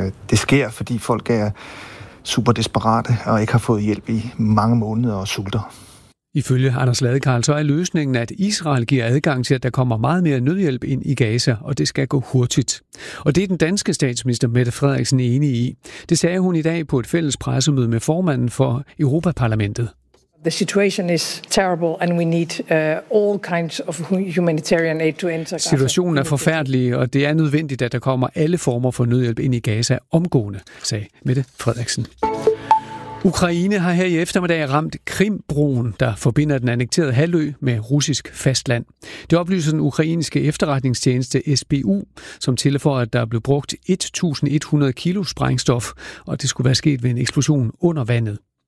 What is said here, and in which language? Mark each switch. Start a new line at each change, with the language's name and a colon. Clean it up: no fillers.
Danish: Det sker, fordi folk er super desperate og ikke har fået hjælp i mange måneder og sulter. Ifølge Anders Ladekarl, så er løsningen, at Israel giver adgang til, at der kommer meget mere nødhjælp ind i Gaza, og det skal gå hurtigt. Og det er den danske statsminister Mette Frederiksen enig i. Det sagde hun i dag på et fælles pressemøde med formanden for Europaparlamentet.
English: The situation is terrible and we need all kinds of humanitarian aid to enter Gaza.
Danish: Situationen er forfærdelig, og det er nødvendigt, at der kommer alle former for nødhjælp ind i Gaza omgående, sagde Mette Frederiksen. Ukraine har her i eftermiddag ramt Krimbroen, der forbinder den annekterede halvø med russisk fastland. Det oplyser den ukrainske efterretningstjeneste SBU, som tilføjer, at der blev brugt 1.100 kilo sprængstof, og det skulle være sket ved en eksplosion under vandet.